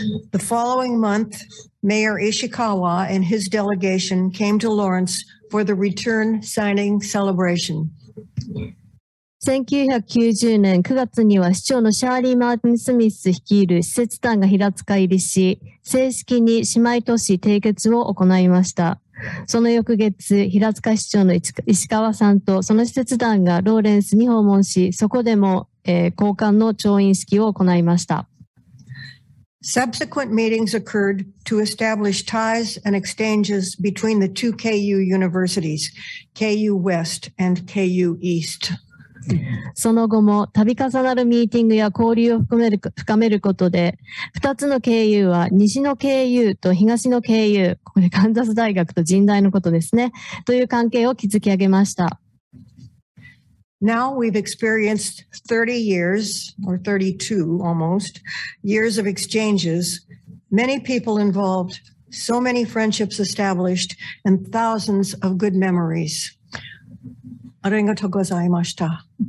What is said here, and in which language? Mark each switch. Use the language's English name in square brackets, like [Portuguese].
[English] The following month, Mayor Ishikawa and his delegation came to Lawrence for the return signing celebration. [Japanese] 1990年9月には市長のシャーリー・マーティン・スミス率いる施設団が平塚入りし、正式に姉妹都市締結を行いました。その翌月、平塚市長の石川さんとその施設団がローレンスに訪問し、そこでも、交換の調印式を行いました。 [English] Subsequent meetings occurred to establish ties and exchanges between the two KU universities, KU West and KU East. [Japanese] その後も度重なるミーティングや交流を深めることで2つの KU は西の KU と東の KU、 ここでカンザス大学と人大のことですね、という関係を築き上げました。 [English] Now we've experienced 30 years or 32 almost years of exchanges, many people involved, so many friendships established and thousands of good memories [Japanese] ありがとうございました。